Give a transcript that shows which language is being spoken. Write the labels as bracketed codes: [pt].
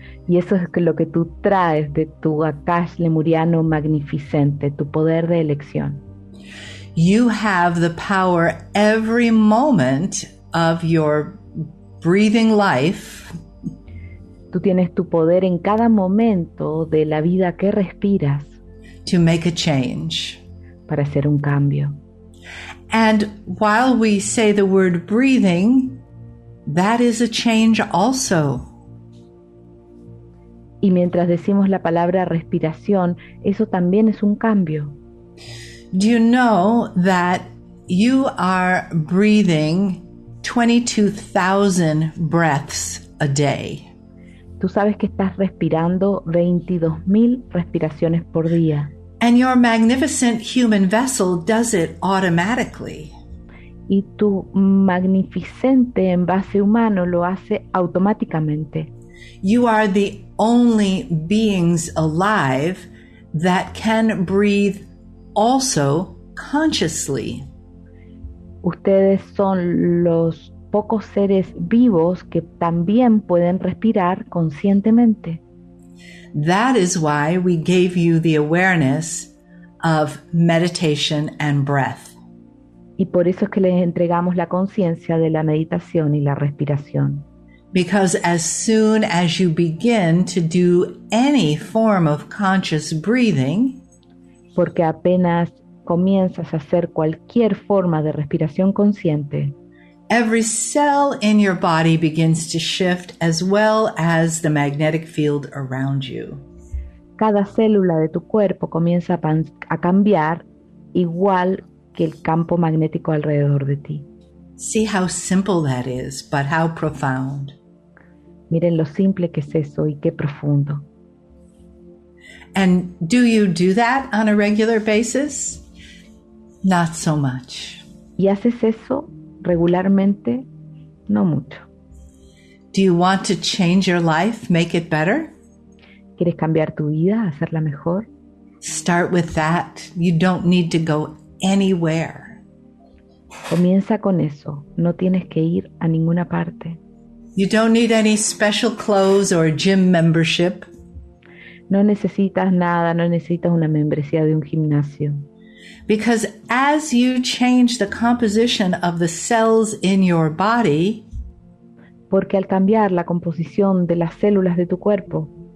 [es] Y eso es lo que tú traes de tu Akash Lemuriano magnificente, tu poder de elección. [en] You have the power every moment of your breathing life. [es] Tú tienes tu poder en cada momento de la vida que respiras. [en] To make a change. [es] Para hacer un cambio. [en] And while we say the word breathing, that is a change also. [es] Y mientras decimos la palabra respiración, eso también es un cambio. [en] Do you know that you are breathing 22,000 breaths a day? [es] Tú sabes que estás respirando 22,000 respiraciones por día. [en] And your magnificent human vessel does it automatically. [es] Y tu magnificente envase humano lo hace automáticamente. [en] You are the only beings alive that can breathe also consciously. [es] Ustedes son los pocos seres vivos que también pueden respirar conscientemente. [en] That is why we gave you the awareness of meditation and breath. [es] Y por eso es que les entregamos la conciencia de la meditación y la respiración. [en] Because as soon as you begin to do any form of conscious breathing, [es] porque apenas comienzas a hacer cualquier forma de respiración consciente, [en] every cell in your body begins to shift, as well as the magnetic field around you. [es] Cada célula de tu cuerpo comienza a cambiar, igual que el campo magnético alrededor de ti. [en] See how simple that is, but how profound. [es] Miren lo simple que es eso y qué profundo. [en] And do you do that on a regular basis? Not so much. [es] ¿Y haces eso regularmente? No mucho. [en] Do you want to change your life, make it better? [es] ¿Quieres cambiar tu vida, hacerla mejor? [en] Start with that. You don't need to go anywhere. [es] Comienza con eso. No tienes que ir a ninguna parte. [en] You don't need any special clothes or a gym membership. [es] No necesitas nada, no necesitas una membresía de un gimnasio. [en] Because as you change the composition of the cells in your body, [es] porque al cambiar la composición de las células de tu cuerpo,